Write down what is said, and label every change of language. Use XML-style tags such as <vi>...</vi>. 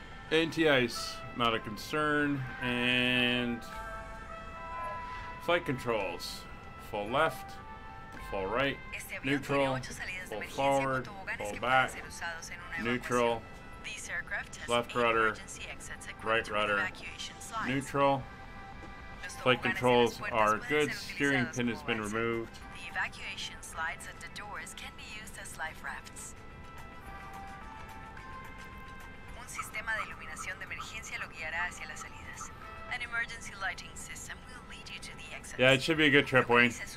<en>Anti-ice, not a concern. And flight controls. Full left. Full right. Neutral. Full forward. Full back. Neutral. Left rudder. Right rudder. Neutral. Flight controls are good. Steering pin has been removed. The evacuation slides at the doors can be used as life rafts.</en> <es>Un sistema de iluminación de emergencia lo guiará hacia las salidas.</es> <en>An emergency lighting system will lead you to the exits. Yeah, it should be a good trip, Wayne.</en>